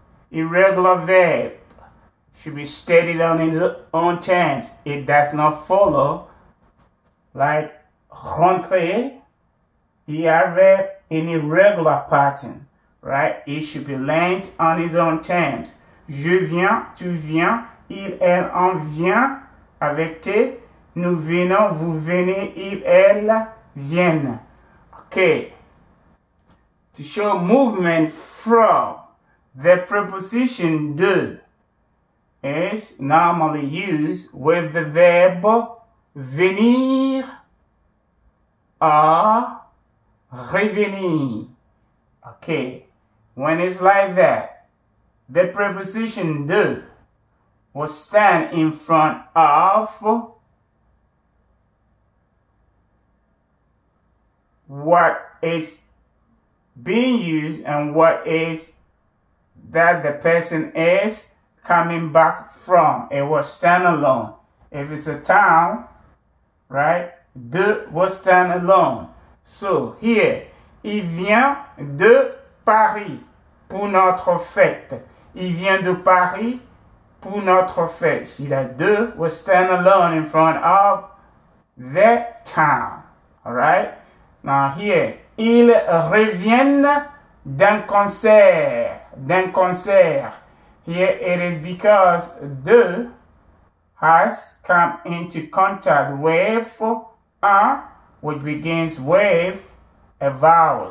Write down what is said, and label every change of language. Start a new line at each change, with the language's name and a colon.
English: Irregular verb should be stated on its own terms. It does not follow like rentrer, ER verb, in irregular pattern, right? It should be learned on its own terms.
French: Je viens, tu viens, il, elle, en vient avec T. Nous venons, vous venez, il, elle, viennent. Okay.
English: To show movement from. The preposition de is normally used with the verb venir or revenir. Okay, when it's like that, the preposition de will stand in front of what is being used and what is that the person is coming back from. It will stand alone. If it's a town, right, de will stand alone.
French: So here, il vient de Paris pour notre fête. Il vient de Paris pour notre fête.
English: See that de will stand alone in front of the town. Alright? Now here,
French: il revient d'un concert. D'un concert.
English: Here it is because de has come into contact with a, which begins with a vowel.